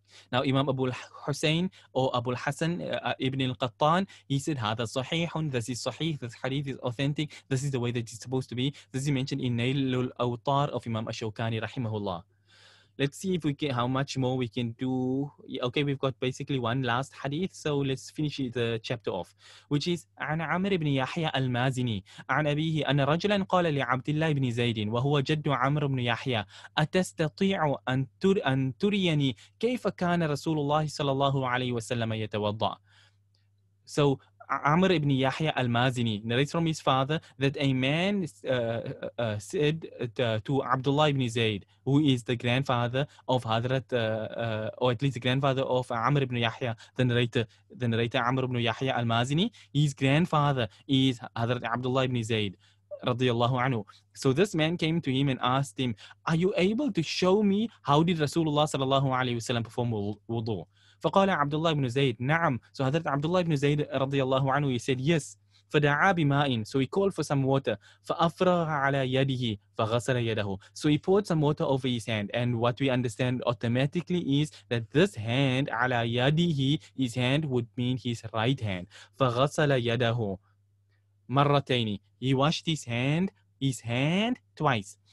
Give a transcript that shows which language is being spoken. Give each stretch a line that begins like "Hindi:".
English: Now, Imam Abu Hussein or Abu Hassan ibn al-Qattan, he said,
Arabic: "Hada sahihun,
English: this is sahih, this hadith is authentic, this is the way that it's supposed to be." This is mentioned in Nailul Awtar of Imam Ashokani, rahimahullah. Let's see if we can, how much more we can do. Okay, we've got basically one last hadith, so let's finish the chapter off, which is
Arabic: عن عمر بن يحيى المازني عن أبيه أن رجلا قال لعبد الله بن زيد وهو جد عمر بن يحيى أتستطيع أن تريني كيف كان رسول الله صلى الله عليه وسلم يتوضأ.
English: So Amr ibn Yahya al-Mazini narrates from his father that a man said to Abdullah ibn Zayd, who is the grandfather of Hadrat, or at least the grandfather of Amr ibn Yahya, the narrator Amr ibn Yahya al-Mazini, his grandfather is Hadrat Abdullah ibn Zayd, radiyallahu anhu. So this man came to him and asked him, "Are you able to show me how did Rasulullah sallallahu alayhi wa sallam perform wudu?"
Arabic: فقال عبد الله بن زيد نعم.
English: So حضرت عبد الله بن زيد رضي الله عنه, he said yes.
Arabic: فدعا بماء,
English: so he called for some water.
Arabic: فأفرغ على يده فغسل يده,
English: so he poured some water over his hand. And what we understand automatically is that this hand, على يده, his hand would mean his right hand.
Arabic: فغسل يده مرتين,
English: he washed his hand twice.